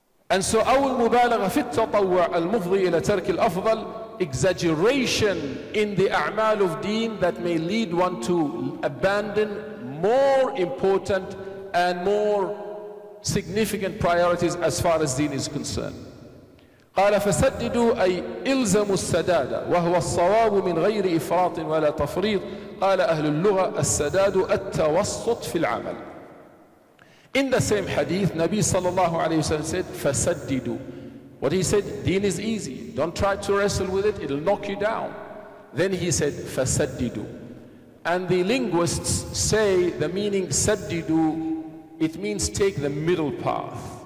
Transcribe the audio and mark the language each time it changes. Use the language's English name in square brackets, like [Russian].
[English] And so, [Arabic] أول مبالغة في التطوع المفضي إلى ترك الأفضل, [English] exaggeration in the أعمال of deen that may lead one to abandon more important and more significant priorities as far as deen is concerned. [Arabic] قال فسددوا أي إلزموا السداد وهو الصواب من غير إفراط ولا تفريط. قال أهل اللغة السداد التوسط في العمل. [English] In the same hadith, Nabi sallallahu alayhi wa sallam said, فسددوا. What he said, deen is easy, don't try to wrestle with it, it'll knock you down. Then he said, فسددوا. And the linguists say the meaning سددوا, it means take the middle path.